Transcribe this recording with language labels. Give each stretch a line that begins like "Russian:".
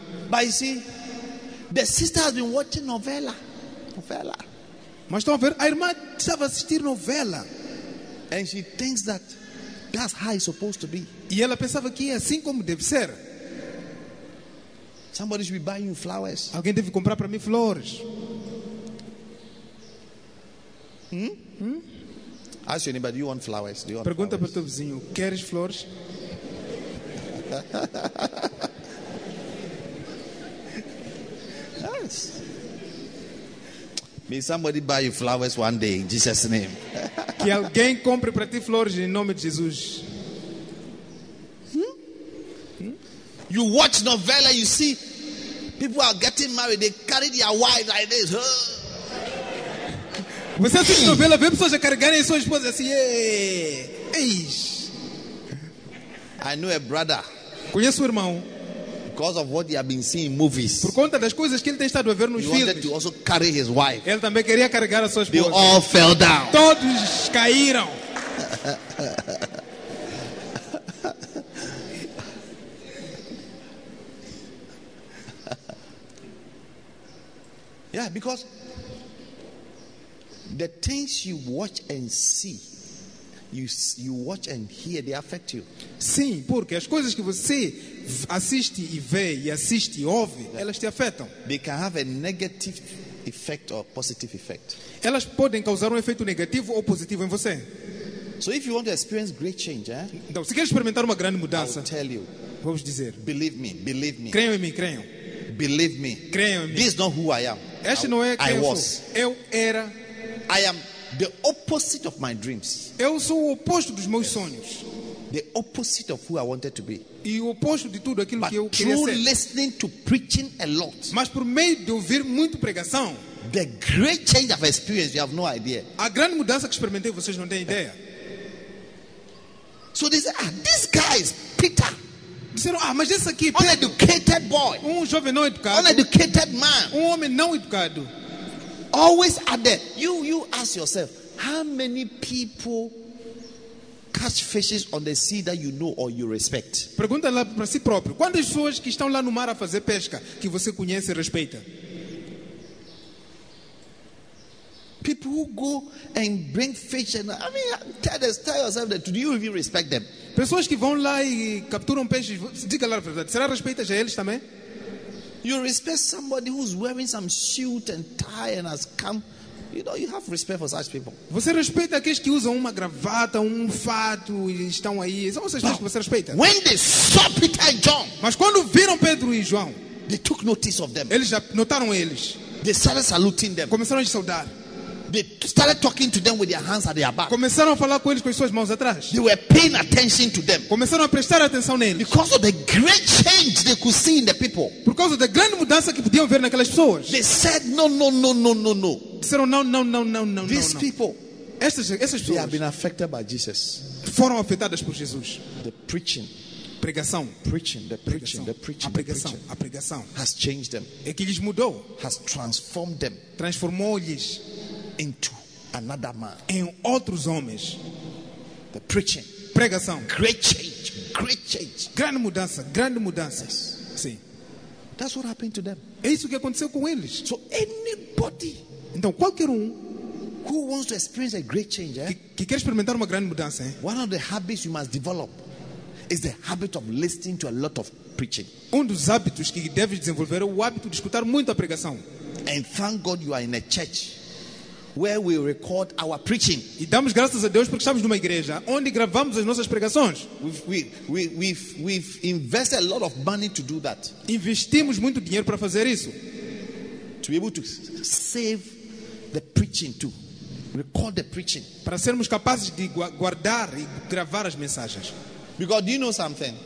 English: But you see, the sister has been watching novela.
Portuguese: Novela. Mas estão a ver, a irmã estava assistindo novela.
English: And she thinks that that's how it's supposed to be.
Portuguese: E ela pensava que é assim como deve ser.
English: Somebody should be buying you flowers.
Portuguese: Alguém deve comprar para mim flores.
English: Ask your neighbor, do you want flowers? Do you want
Portuguese: Pergunta
English: flowers?
Portuguese: Para o teu vizinho, queres flores?
English: Yes. May somebody buy you flowers one day in Jesus' name.
Portuguese: Que alguém compre para ti flores em nome de Jesus.
English: You watch novela, you see people are getting married, they carry their wives like this.
Portuguese: Você assiste novela, vê pessoas a carregarem suas esposas assim.
English: I know a brother.
Portuguese: Conheço o irmão.
English: Because of what he has been seeing in movies.
Portuguese: Por conta das coisas que ele tem estado a ver nos filmes.
English: He wanted to also carry his wife.
Portuguese: Ele também queria carregar a sua esposa.
English: They all fell down.
Portuguese: Todos caíram.
English: Yeah, because the things you watch and see, you watch and hear, they affect you.
Portuguese: Sim, porque as coisas que você assiste e vê e assiste e ouve, yeah, elas te afetam.
English: They can have a negative effect or positive effect.
Portuguese: Elas podem causar efeito negativo ou positivo em você.
English: So if you want to experience great change, eh?
Portuguese: Então, se quer experimentar uma grande mudança,
English: I'll tell you.
Portuguese: Vamos dizer.
English: Believe me.
Portuguese: Creio em mim, creio.
English: Believe me.
Portuguese: Creio em mim.
English: This is not who I am.
Portuguese: Este não é quem
English: I was.
Portuguese: Eu era.
English: I am the opposite of my dreams.
Portuguese: Eu sou o oposto dos meus sonhos.
English: The opposite of who I wanted to be.
Portuguese: E o oposto de tudo aquilo
English: But
Portuguese: que eu queria
English: through
Portuguese: ser.
English: Listening to preaching a lot.
Portuguese: Mas por meio de ouvir muito pregação.
English: The great change of experience, you have no idea.
Portuguese: A grande mudança que experimentei, vocês não têm ideia.
English: So they say, this guy is Peter.
Portuguese: Disseram, mas esse aqui
English: Pedro, uneducated boy,
Portuguese: um jovem não educado,
English: uneducated man,
Portuguese: um homem não educado.
English: Always at the you ask yourself, how many people catch fishes on the sea that you know or you respect?
Portuguese: Pergunta lá para si próprio, quantas pessoas que estão lá no mar a fazer pesca que você conhece e respeita?
English: People who go and bring fish and tell yourself that, do you even respect them?
Portuguese: Pessoas que vão lá e capturam peixes, diga lá a verdade, será respeitas a eles também?
English: You respect somebody who's wearing some suit and tie and has come, you know, you have respect for such people.
Portuguese: Você respeita aqueles que usam uma gravata, um fato e estão aí? São essas pessoas que você respeita.
English: When they saw Peter and John,
Portuguese: mas quando viram Pedro e João,
English: they took notice of them.
Portuguese: Eles já notaram eles.
English: They started saluting them.
Portuguese: Começaram a saudar.
English: They started talking to them with their hands at their back.
Portuguese: Começaram a falar com eles com as suas mãos atrás.
English: They were paying attention to them.
Portuguese: Começaram a prestar atenção neles.
English: Because of the great change they could see in the people.
Portuguese: Por causa da grande mudança que podiam ver naquelas pessoas.
English: They said no.
Portuguese: Disseram não.
English: These people,
Portuguese: essas pessoas,
English: they have been affected by Jesus.
Portuguese: Foram afetadas por Jesus.
English: The preaching.
Portuguese: Pregação.
English: Preaching, the preaching,
Portuguese: pregação.
English: The preaching,
Portuguese: a pregação,
English: the preaching.
Portuguese: A pregação.
English: Has changed them.
Portuguese: É que lhes mudou.
English: Has transformed them.
Portuguese: Transformou-lhes.
English: Into another man.
Portuguese: Em outros homens.
English: The preaching.
Portuguese: Pregação.
English: Great change.
Portuguese: Grande mudança.
English: Yes.
Portuguese: Sim.
English: That's what happened to them.
Portuguese: É isso que aconteceu com eles.
English: So anybody.
Portuguese: Então qualquer um.
English: Who wants to experience a great change. Eh?
Portuguese: Que quer experimentar uma grande mudança. Eh?
English: One of the habits you must develop. Is the habit of listening to a lot of preaching.
Portuguese: Um dos hábitos que deve desenvolver. É o hábito de escutar muito a pregação.
English: And thank God you are in a church. Where we record our preaching.
Portuguese: E damos graças a Deus porque estamos numa igreja onde gravamos as nossas pregações.
English: We've invested a lot of money to do that.
Portuguese: Investimos muito dinheiro para fazer isso.
English: To be able to save the preaching too. Record the preaching.
Portuguese: Para sermos capazes de guardar e gravar as mensagens.
English: Because do you know something?